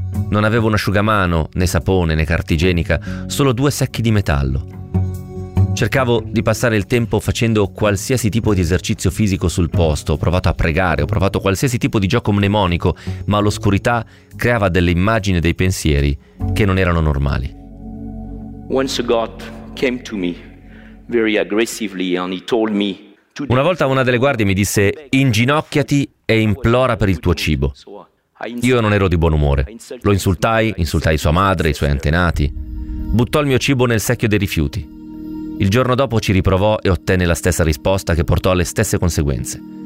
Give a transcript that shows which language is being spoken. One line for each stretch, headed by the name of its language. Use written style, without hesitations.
Italian: Non avevo un asciugamano, né sapone, né carta igienica, solo 2 sacchi di metallo. Cercavo di passare il tempo facendo qualsiasi tipo di esercizio fisico sul posto, ho provato a pregare, ho provato qualsiasi tipo di gioco mnemonico, ma l'oscurità creava delle immagini e dei pensieri che non erano normali.
English: Once I got came to me very aggressively and he told me.
Italian: Una volta una delle guardie mi disse: inginocchiati e implora per il tuo cibo. Io non ero di buon umore. Lo insultai, insultai sua madre, i suoi antenati. Buttò il mio cibo nel secchio dei rifiuti. Il giorno dopo ci riprovò e ottenne la stessa risposta che portò alle stesse conseguenze.